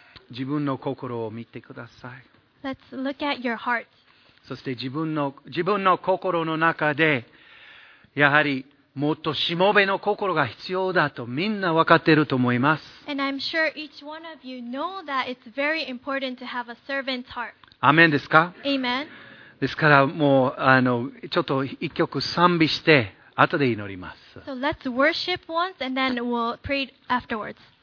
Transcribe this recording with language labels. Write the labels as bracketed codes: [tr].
[ja] 自分の心を見てください。 [en] Let's look at your heart. [ja] そして自分の心の中で、やはりもっとしもべの心が必要だとみんな分かっていると思います。 [en] And I'm sure each one of you know that it's very important to have a servant's heart. [ja] アメンですか？ [en] Amen. [ja] ですからもうちょっと一曲賛美して後で祈ります。 [en] So let's worship once and then we'll pray afterwards.